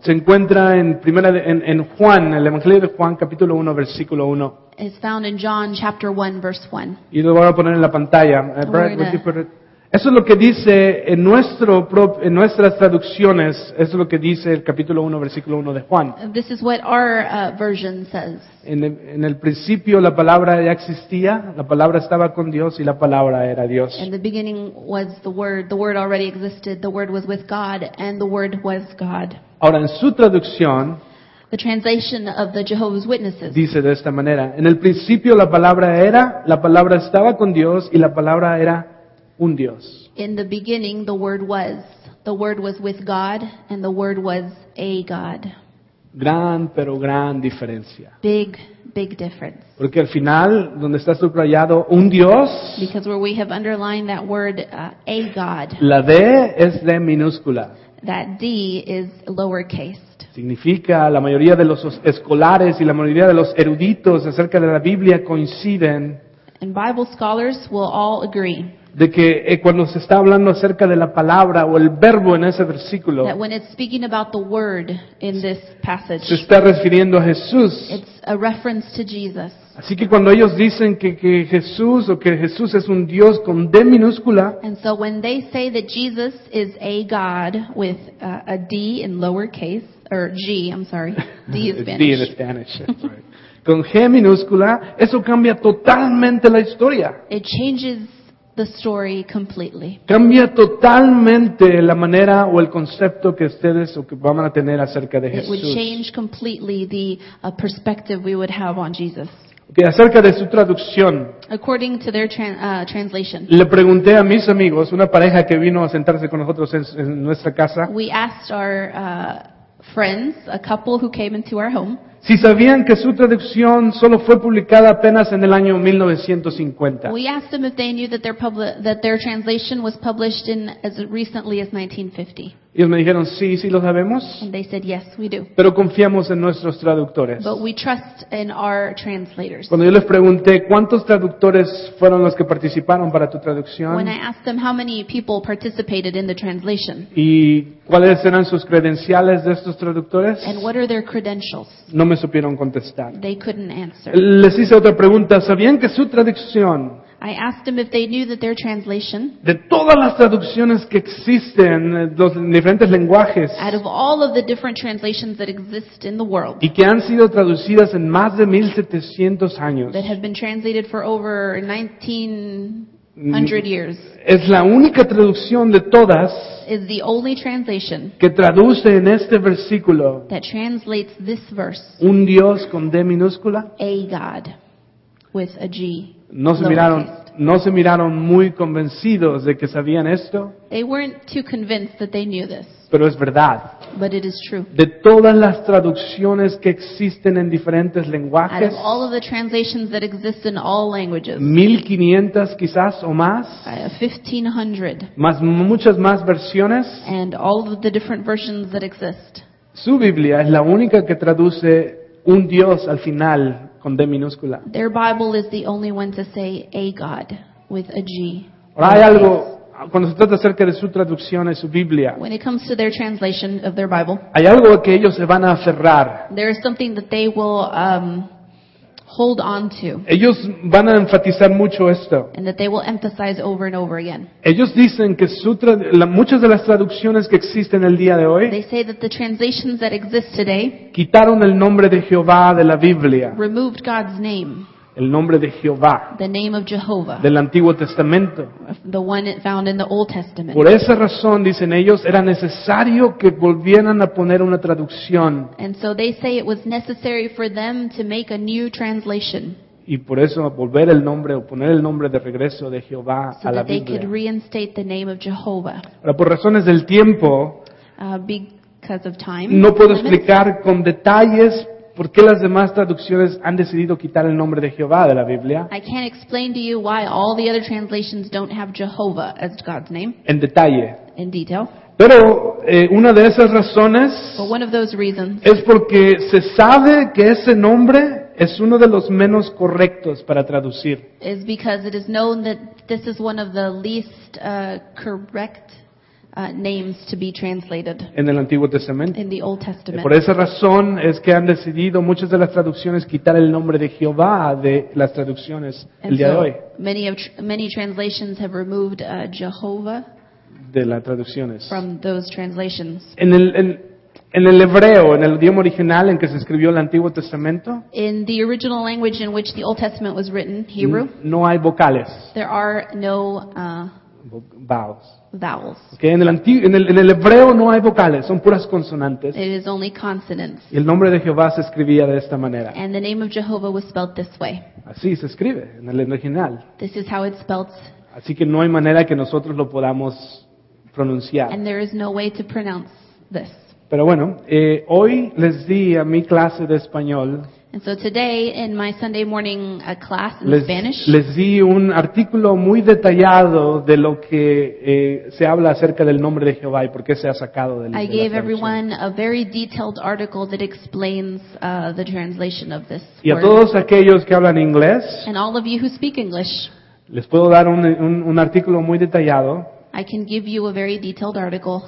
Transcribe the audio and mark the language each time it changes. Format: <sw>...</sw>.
<es>se encuentra en primera en Juan, el Evangelio de Juan, capítulo 1, versículo 1.</es> <en>Is found in John chapter 1, verse 1.</en> <es>Y lo voy a poner en la pantalla. Eso es lo que dice en nuestras traducciones, eso es lo que dice el capítulo 1, versículo 1 de Juan.</es> <en>This is what our version says.</en> <es>En el principio la palabra ya existía, la palabra estaba con Dios y la palabra era Dios.</es> <en>In the beginning was the word already existed, the word was with God and the word was God.</en> <es>Ahora en su traducción,</es> <en>the translation of the Jehovah's Witnesses,</en> <es>dice de esta manera, en el principio la palabra estaba con Dios y la palabra era un Dios.</es> <en>In the beginning, the word was with God, and the word was a God.</en> <es>Gran, pero gran diferencia.</es> <en>Big, big difference.</en> <es>Porque al final, donde está subrayado un Dios,</es> <en>because where we have underlined that word, a God,</en> <es>la D es D minúscula.</es> <en>That D is lowercase.</en> <es>Significa la mayoría de los escolares y la mayoría de los eruditos acerca de la Biblia coinciden.</es> <en>And Bible scholars will all agree.</en> <es>de que cuando se está hablando acerca de la palabra o el verbo en ese versículo,</es> <en>that when it's speaking about the word in this passage,</en> <es>se está refiriendo a Jesús.</es> <en>It's a reference to Jesus.</en> <es>Así que cuando ellos dicen que Jesús o que Jesús es un Dios con D minúscula,</es> <en>and so when they say that Jesus is a God with a D in lowercase, or G, I'm sorry, D in Spanish. D in Spanish, that's right.</en> <es>Con G minúscula, eso cambia totalmente la historia.</es> <en>It changes the story completely.</en> <es>Cambia totalmente la manera o el concepto que ustedes o que van a tener acerca de Jesús.</es> <en>It would change completely the perspective we would have on Jesus.</en> <es>Que acerca de su traducción.</es> <en>According to their translation.</en> <es>Le pregunté a mis amigos, una pareja que vino a sentarse con nosotros en nuestra casa.</es> <en>We asked our friends, a couple who came into our home.</en> <es>Si sabían que su traducción solo fue publicada apenas en el año 1950.</es> <en>We asked them if they knew that their translation was published in as recently as 1950.</en> <es>Y ellos me dijeron, sí, sí lo sabemos.</es> <en>And they said, yes, we do.</en> <es>Pero confiamos en nuestros traductores.</es> <en>But we trust in our translators.</en> <es>Cuando yo les pregunté, ¿cuántos traductores fueron los que participaron para tu traducción?</es> <en>When I asked them how many people participated in the translation.</en> <es>¿Y cuáles eran sus credenciales de estos traductores?</es> <en>And what are their credentials?</en> <es>No me supieron contestar.</es> <en>They couldn't answer.</en> <es>Les hice otra pregunta, ¿sabían que su traducción...</es> <en>I asked them if they knew that their translation.</en> <es>De todas las traducciones que existen, los diferentes lenguajes.</es> <en>Out of all of the different translations that exist in the world.</en> <es>Y que han sido traducidas en más de 1700 años.</es> <en>That have been translated for over 1900 years.</en> <es>Es la única traducción de todas.</es> <en>Is the only translation.</en> <es>Que traduce en este versículo.</es> <en>That translates this verse.</en> <es>Un Dios con D minúscula.</es> <en>A God with a G.</en> <es>No se miraron muy convencidos de que sabían esto.</es> <en>They weren't too convinced that they knew this.</en> <es>Pero es verdad.</es> <en>But it is true.</en> <es>De todas las traducciones que existen en diferentes lenguajes.</es> <en>Out of all of the translations that exist in all languages.</en> <es>1500 quizás o más.</es> <en>1500.</en> <es>Más muchas más versiones.</es> <en>And all of the different versions that exist.</en> <es>Su Biblia es la única que traduce un Dios al final. Con D minúscula.</es> <en>Their Bible is the only one to say a God with a G.</en> <es>Ahora hay algo cuando se trata acerca de su traducción en su Biblia.</es> <en>When it comes to their translation of their Bible.</en> <es>Hay algo que ellos se van a aferrar.</es> <en>There is something that they will hold on to.</en> <es>Ellos van a enfatizar mucho esto.</es> <en>And that they will emphasize over and over again.</en> <es>Ellos dicen que muchas de las traducciones que existen el día de hoy.</es> <en>They say that the translations that exist today.</en> <es>Quitaron el nombre de Jehová de la Biblia.</es> <en>Removed God's name.</en> <es>El nombre de Jehová.</es> <en>The name of Jehovah.</en> <es>Del Antiguo Testamento.</es> <en>The one found in the Old Testament.</en> <es>Por esa razón, dicen ellos, era necesario que volvieran a poner una traducción.</es> <en>And so they say it was necessary for them to make a new translation.</en> <es>Y por eso volver el nombre o poner el nombre de regreso de Jehová</es> <en>so</en> <es>a la Biblia.</es> <en>So they could reinstate the name of Jehovah.</en> <es>Pero por razones del tiempo,</es> <en>because of time,</en> <es>no puedo explicar con detalles. ¿Por qué las demás traducciones han decidido quitar el nombre de Jehová de la Biblia?</es> <en>I can't explain to you why all the other translations don't have Jehovah as God's name.</en> <es>En detalle.</es> <en>In detail.</en> <es>Pero una de esas razones.</es> <en>But one of those reasons.</en> <es>Es porque se sabe que ese nombre es uno de los menos correctos para traducir.</es> <en>Is because it is known that this is one of the least correct names to be translated.</en> <es>En el Antiguo Testamento.</es> <en>In the Old Testament.</en> <es>Por esa razón es que han decidido muchas de las traducciones quitar el nombre de Jehová de las traducciones el día de hoy.</es> <en>Many translations have removed Jehovah</en> <es>de las traducciones.</es> <en>From those translations.</en> <es>En el hebreo, en el idioma original en que se escribió el Antiguo Testamento.</es> <en>In the original language in which the Old Testament was written, Hebrew.</en> <es>No hay vocales.</es> <en>There are no vowels. Vowels.</en> <es>Okay, en el hebreo no hay vocales, son puras consonantes.</es> <en>It is only consonants.</en> <es>Y el nombre de Jehová se escribía de esta manera.</es> <en>And the name of Jehovah was spelled this way.</en> <es>Así se escribe en el original.</es> <en>This is how it's spelled.</en> <es>Así que no hay manera que nosotros lo podamos pronunciar.</es> <en>And there is no way to pronounce this.</en> <es>Pero bueno, hoy les di a mi clase de español.</es> <en>And so today, in my Sunday morning class in Spanish,</en> <es>les di un artículo muy detallado de lo que se habla acerca del nombre de Jehová y por qué se ha sacado del.</es> <en>I gave everyone a very detailed article that explains the translation of this.</en> <es>Y a todos aquellos que hablan inglés.</es> <en>And all of you who speak English.</en> <es>Les puedo dar un artículo muy detallado.</es> <en>I can give you a very detailed article.</en>